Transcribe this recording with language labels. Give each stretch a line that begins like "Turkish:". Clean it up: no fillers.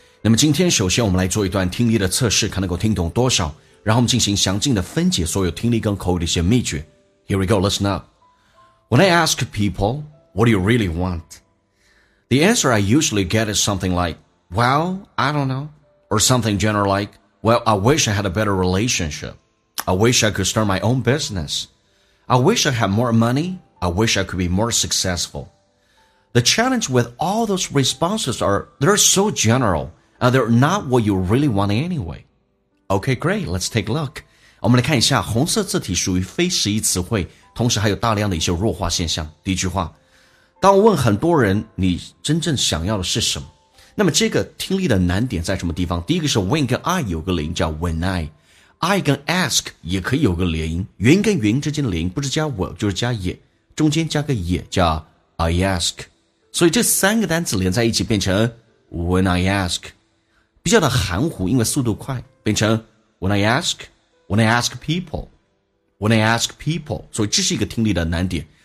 Chinese: 那么今天首先我们来做一段听力的测试，看能够听懂多少，然后我们进行详尽的分解所有听力跟口语的一些秘诀。
English: Here we go, listen up. When I ask people, what do you really want? The answer I usually get is something like, well, I don't know. Or something general like, well, I wish I had a better relationship. I wish I could start my own business. I wish I had more money. I wish I could be more successful. The challenge with all those responses are they're so general and they're not what you really want anyway. Okay, great. Let's take a look.
Chinese: 我们来看一下红色字体属于非实义词汇，同时还有大量的一些弱化现象。第一句话，当问很多人你真正想要的是什么，那么这个听力的难点在什么地方？第一个是 when 跟 I 有个连音叫 when I。I 跟 ask 也可以有个连音，原跟原之间的连音不是加我就是加也，中间加个也叫 I ask， 所以这三个单词连在一起变成 when I ask， 比较的含糊，因为速度快，变成 when I ask，
English: when I ask people，
Chinese: when I ask people， 所以这是一个听力的难点。